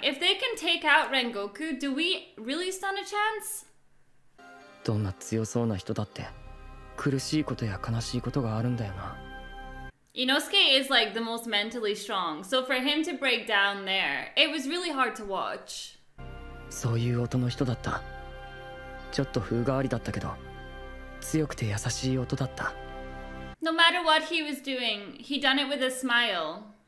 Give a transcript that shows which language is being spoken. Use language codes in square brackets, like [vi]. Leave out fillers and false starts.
[en] If they can take out Rengoku, do we really stand a chance? [ja] どんな強そうな人だって、苦しいことや悲しいことがあるんだよな。 [en] Inosuke is like the most mentally strong, so for him to break down there, it was really hard to watch. So you were the kind of person. A little bit of a voice, but a strong and gentle sound. No matter what he was doing, he done it with a smile.